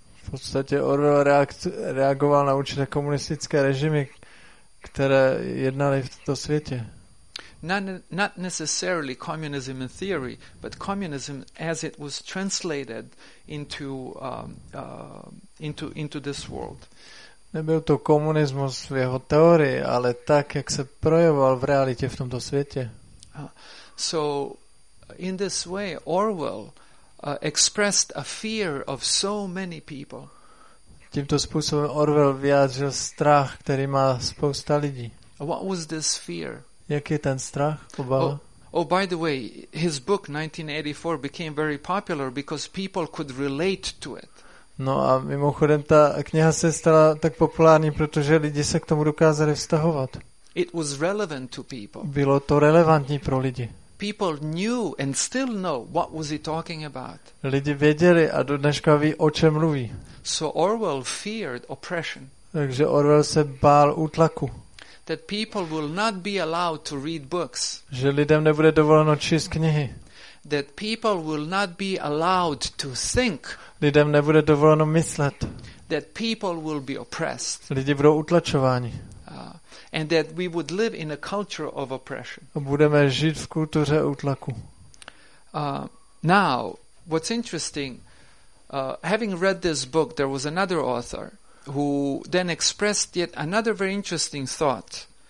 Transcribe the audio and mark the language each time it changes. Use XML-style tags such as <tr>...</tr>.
<cs>V podstatě Orwell reagoval na určité komunistické režimy, které jednali v tomto světě.</cs> <en>Not necessarily communism in theory, but communism as it was translated into this world.</en> <cs>Nebyl to komunismus v jeho teorii, ale tak, jak se projevoval v realitě v tomto světě.</cs> <en>So in this way Orwell expressed a fear of so many people.</en> <cs>Tímto způsobem Orwell vyjádřil strach, který má spousta lidí.</cs> <en>What was this fear?</en> <cs>Jaký je ten strach, obava?</cs> <en>Oh, by the way, his book 1984 became very popular because people could relate to it.</en> <cs>No a mimochodem ta kniha se stala tak populární, protože lidi se k tomu dokázali vztahovat.</cs> <en>It was relevant to people.</en> <cs>Bylo to relevantní pro lidi.</cs> <en>People knew and still know what was he talking about.</en> <cs>Lidi věděli a do dneška ví, o čem mluví.</cs> <en>So Orwell feared oppression.</en> <cs>Takže Orwell se bál útlaku.</cs> <en>That people will not be allowed to read books.</en> <cs>Že lidem nebude dovoleno číst knihy.</cs> <en>That people will not be allowed to think.</en> <cs>Lidem nebude dovoleno myslet.</cs> <en>That people will be oppressed.</en> <cs>Lidi budou utlačováni.</cs> <en>And that we would live in a culture of oppression.</en> <cs>Budeme žít v kultuře útlaku.</cs> <en>Now, what's interesting, having read this book, there was another author who then expressed yet another very interesting thought.</en>